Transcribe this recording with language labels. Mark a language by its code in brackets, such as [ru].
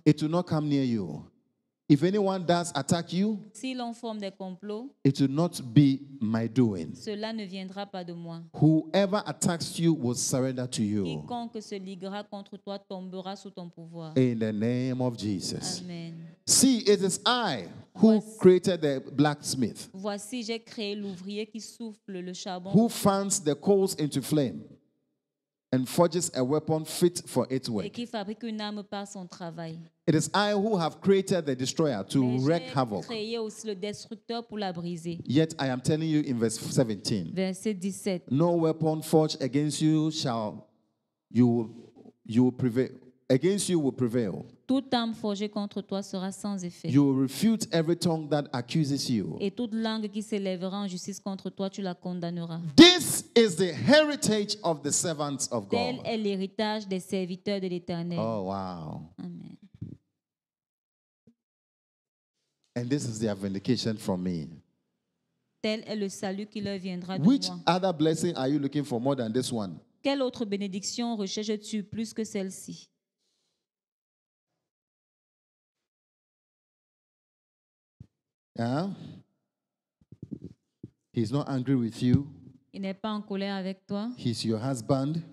[en] It will not come near you. If anyone does attack you, [fr] si l'on forme des complots, [en] it will not be my doing. [fr] Cela ne viendra pas de moi. [en] Whoever attacks you will surrender to you. [fr] Quiconque se liguera contre toi tombera sous ton pouvoir. [en] In the name of Jesus. Amen. See, it is I who [fr] voici, [en] created the blacksmith. [fr] Voici, j'ai créé l'ouvrier qui souffle le charbon. [en] Who fans the coals into flame. and forges a weapon fit for its work. [fr] Et qui fabrique une arme par son travail. [en] It is I who have created the destroyer to [fr] Mais [en] wreak [fr] j'ai [en] havoc. [fr] Créé aussi le destructeur pour la briser. [en] Yet I am telling you in verse 17. [fr] Verset 17. [en] No weapon forged against you shall you prevail. Against you will prevail. [fr] Toute arme forgée contre toi sera sans effet. [en] You will refute every tongue that accuses you. [fr] Et toute langue qui s'élèvera en justice contre toi, tu la condamneras. [en] This is the heritage of the servants of God. [fr] Tel est l'héritage des serviteurs de l'Éternel. [en] Oh wow. Amen. And this is their vindication from me. [fr] Tel est le salut qui leur viendra de moi. [en] Which other blessing are you looking for more than this one? [fr] Quelle autre bénédiction recherches-tu plus que celle-ci? [en] Yeah. He's not angry with you. [fr] Il n'est pas en colère avec toi. [en] He's your husband.